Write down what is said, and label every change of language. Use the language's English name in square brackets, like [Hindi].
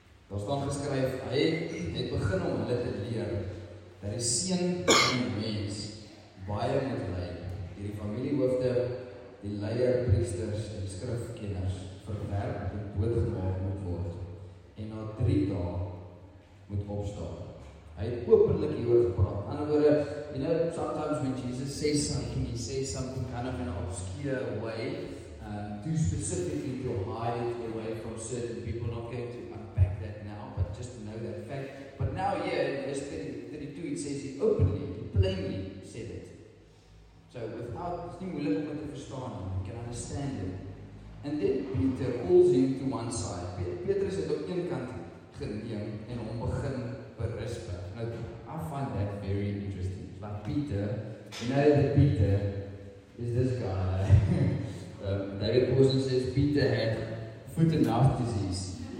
[Afrikaans] Daar staan geskryf, hy het begin om hulle te leer dat die seun van die mens baie moet ly, die familiehoofde, die leier, priesters en skrifkenners verwerp en doodgemaak moet word en na 3 dae moet opstaan. Hy het openlik hieroor gepraat. In ander woorde, [English] sometimes when Jesus says something, he says something kind of in an obscure way, too specifically to hide away from certain people, not going to unpack that now, but just to know that fact. But now here in verse 32, it says he openly, plainly said it. So without, it's [Afrikaans] nie moeilik om te verstaan, [English] you can understand it. And then Peter calls him to one side. [Afrikaans] Petrus het op een kant geneem en hom begin berisp. [English] I find that very interesting. Like Peter, you know that Peter is this guy. David Paulson says Peter had foot and mouth disease.